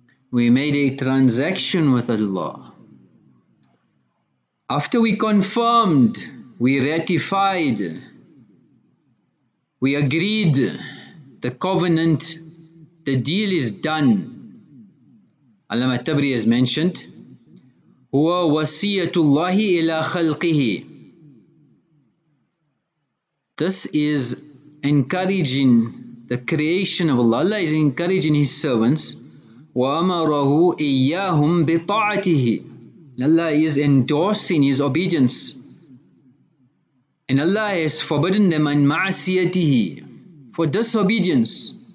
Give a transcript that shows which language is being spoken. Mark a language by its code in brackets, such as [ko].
[en] We made a transaction with Allah. After we confirmed, we ratified, we agreed, the covenant, the deal is done. Allama Tabri has mentioned, [ar] هُوَ وَسِيَّةُ اللَّهِ إِلَىٰ خَلْقِهِ. [en] This is encouraging the creation of Allah. Allah is encouraging His servants. [ar] وَأَمَرَهُ إِيَّاهُمْ بِطَاعَتِهِ. [en] Allah is endorsing His obedience. And Allah has forbidden them in ma'asiyatihi, for disobedience.